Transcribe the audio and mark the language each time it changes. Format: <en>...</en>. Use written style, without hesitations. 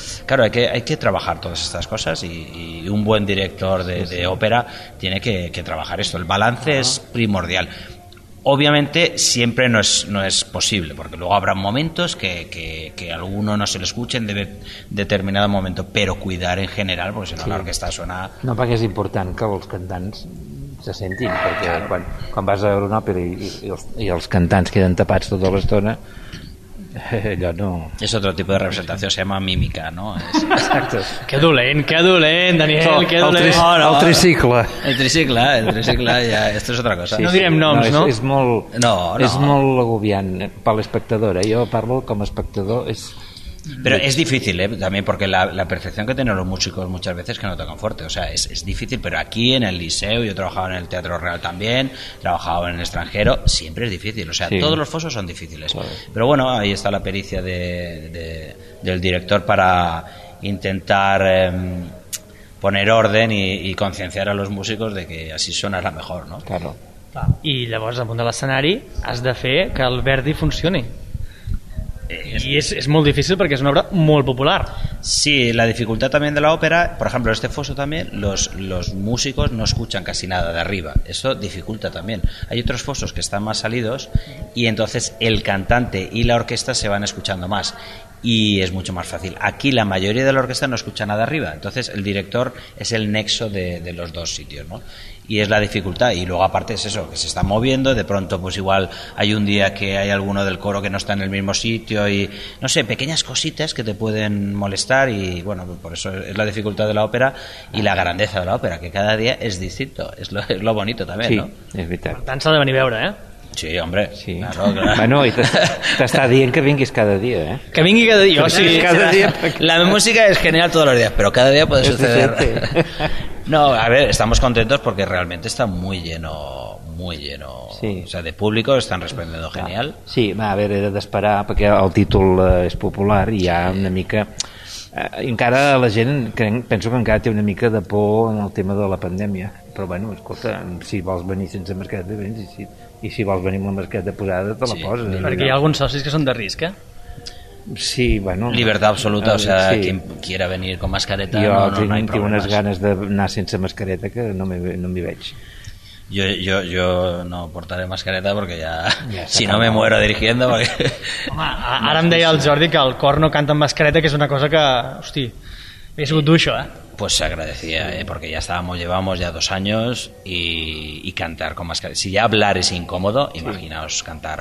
<es>Claro, hay que trabajar todas estas cosas, y un buen director de ópera tiene que trabajar esto. El balance es primordial. Obviamente siempre no es posible, porque luego habrá momentos que a alguno no se le escuche en determinado momento, pero cuidar en general, porque si no, sí, la orquesta suena...</es> <ca>No, perquè és important que els cantants se sentin, perquè claro, quan vas a veure una òpera i els cantants queden tapats tota l'estona, allò no... És altre tipus de representació,</ca> <es>se llama mímica,</es> <ca>no? Exacte. Que dolent, Daniel, que dolent. El tricicle, ja, això és altra cosa. Sí, no direm noms, no? És molt agobiant per l'espectador, jo parlo com a espectador, és...</ca> <es>Pero es difícil, también, porque la percepción que tienen los músicos muchas veces es que no tocan fuerte. O sea, es difícil, pero aquí en el Liceo, yo he trabajado en el Teatro Real también, he trabajado en el extranjero, siempre es difícil. O sea, sí, todos los fosos son difíciles. Claro. Pero bueno, ahí está la pericia del director para intentar poner orden y concienciar a los músicos de que así sonará mejor, ¿no? Claro.</es> <ca>Y llavors, al punt de l'escenari, has de fer que el Verdi funcione.</ca> <es>Y es muy difícil porque es una obra muy popular. Sí, la dificultad también de la ópera, por ejemplo, este foso también, los músicos no escuchan casi nada de arriba. Eso dificulta también. Hay otros fosos que están más salidos y entonces el cantante y la orquesta se van escuchando más y es mucho más fácil. Aquí la mayoría de la orquesta no escucha nada arriba, entonces el director es el nexo de los dos sitios, ¿no? Y es la dificultad, y luego aparte es eso, que se está moviendo, de pronto pues igual hay un día que hay alguno del coro que no está en el mismo sitio, y no sé, pequeñas cositas que te pueden molestar, y bueno, por eso es la dificultad de la ópera y la grandeza de la ópera, que cada día es distinto, es lo bonito también, sí, ¿no? Sí, es vital.</es> <ca>Per tant, s'ha de venir a veure, ¿eh?</ca> <es>Sí, hombre. Sí. Claro, claro.</es> <ca>Bueno,</ca> <es>y te está</es> <ca>dient que vinguis cada dia, ¿eh? Que vingui cada dia, sí. Cada dia.</ca> <es>La música es genial todos los días, pero cada día puede suceder. No, a ver, estamos contentos porque realmente está muy lleno. Sí. O sea, de público están respondiendo genial.</es> <ca>Sí, a ver, he d'esperar perquè el títol és popular i ja una mica... encara la gent, penso que encara té una mica de por en el tema de la pandèmia, però bueno, escolta, si vols venir sense mascareta, vens, i si vols venir amb la mascareta posada, te la poses. Sí, perquè hi ha alguns socis que són de risc, eh? Sí, bueno, libertat absoluta, sí.</ca> <es>Quien quiera venir con mascareta,</es> <ca>jo no, tinc, no hi tinc unes ganes d'anar sense mascareta que no m'hi veig.</ca> <es>Yo no portaré mascareta porque ya si no me muero dirigiendo porque...</es> <ca>Home, ara em deia el Jordi que el cor no canta amb mascareta, que és una cosa que, hosti, he sigut dur això, eh?</ca> <es>Pues se agradecía, porque ya llevamos ya 2 años y cantar con mascareta. Si ya hablar es incómodo, imaginaos cantar.</es>